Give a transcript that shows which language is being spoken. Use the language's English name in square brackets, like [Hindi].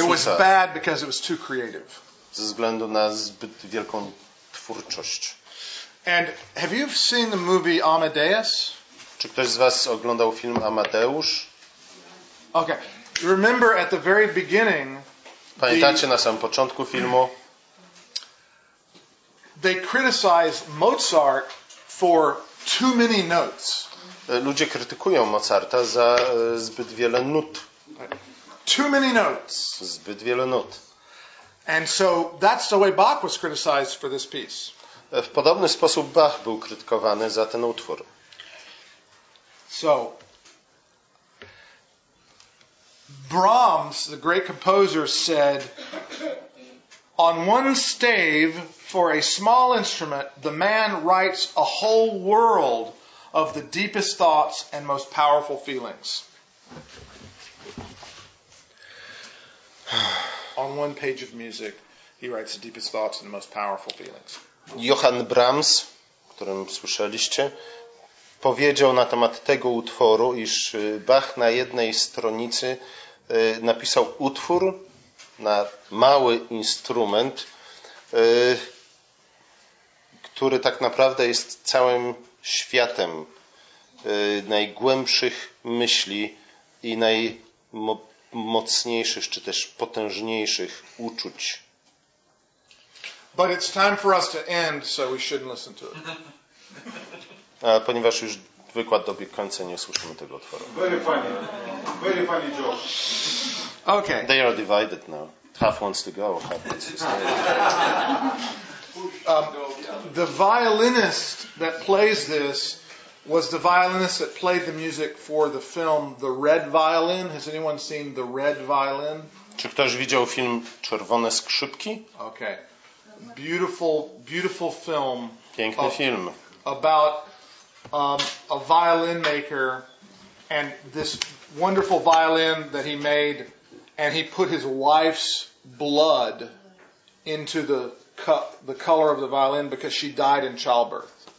[English] It was bad because it was too creative. [Polish] Ze względu na zbyt wielką twórczość. [English] And have you seen the movie Amadeus? [Polish] Czy ktoś z was oglądał film Amadeusz? [English] Okay. Remember at the very beginning. [Polish] Pamiętacie na samym początku filmu? [English] They criticize Mozart for too many notes. [Polish] Ludzie krytykują Mozarta za zbyt wiele nut. [English] Too many notes. [Polish] Zbyt wiele nut. [English] And so that's the way Bach was criticized for this piece. [Polish] W podobny sposób Bach był krytykowany za ten utwór. [English] So Brahms, the great composer, said, on one stave for a small instrument, the man writes a whole world of the deepest thoughts and most powerful feelings. On one page of music, he writes the deepest thoughts and the most powerful feelings. [Polish] Johann Brahms, którym słyszeliście, powiedział na temat tego utworu, iż Bach na jednej stronicy napisał utwór na mały instrument, który tak naprawdę jest całym światem najgłębszych myśli i najmocniejszych, czy też potężniejszych uczuć. [English] But it's time for us to end, so we shouldn't listen to it. [Polish] A ponieważ już wykład dobiegł końca, nie usłyszymy tego utworu. [English] Very funny joke. Okay. They are divided now. Half wants to go, half wants to stay. The violinist that plays this was the violinist that played the music for the film The Red Violin. Has anyone seen The Red Violin? [Polish] Czy ktoś widział film Czerwone Skrzypki? [English] Okay. Beautiful, beautiful film. [Polish] Piękny film. [English] About a violin maker and this wonderful violin that he made, and he put his wife's blood into the cup, the color of the violin, because she died in childbirth.